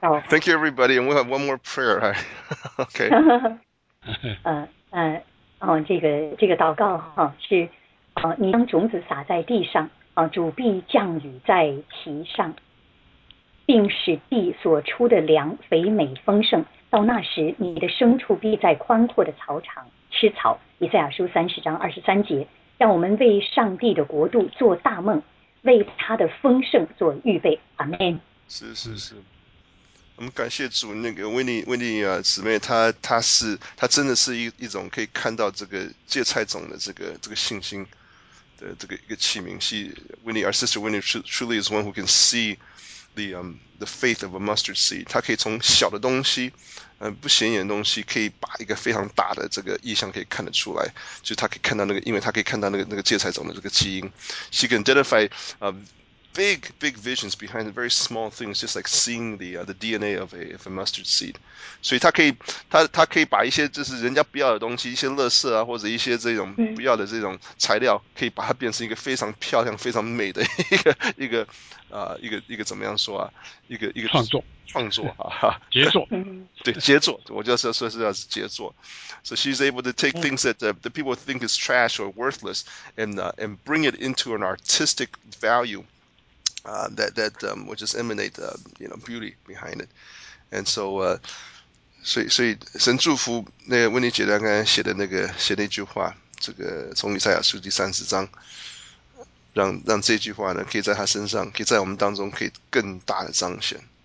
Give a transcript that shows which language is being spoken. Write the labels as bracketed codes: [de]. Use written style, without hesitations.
[en] Thank you, everybody, and we have one more prayer. Okay. [zh] 这个祷告哈是你将种子撒在地上主必降雨在其上，并使地所出的粮肥美丰盛。到那时，你的牲畜必在宽阔的草场吃草。以赛亚书30:23，让我们为上帝的国度做大梦，为他的丰盛做预备。阿门。是是是，我们感谢主，那个维尼姊妹，她真的是一种可以看到这个芥菜种的这个信心的这个一个器皿。 [en] Our sister Winnie truly is one who can see the faith of a mustard seed. [zh] 它可以从小的东西不显眼的东西可以把一个非常大的这个意象可以看得出来，就是它可以看到那个，因为它可以看到那个芥菜种的这个基因。 [en] She can identify big visions behind very small things, just like seeing the DNA of a mustard seed. [zh] 所以它可以把一些就是人家不要的东西，一些垃圾啊，或者一些这种不要的这种材料，可以把它变成一个非常漂亮、非常美的一个怎么样说啊？一个创作啊，杰作，对，杰作，我就是说是要杰作。 [en] So she's able to take things that the people think is trash or worthless and bring it into an artistic value. That will just emanate beauty behind it, and so uh, [zh] 所以神祝福那个温妮姐刚刚写那句话，这个从以赛亚书第三十章，让这句话呢，可以在她身上，可以在我们当中，可以更大的彰显。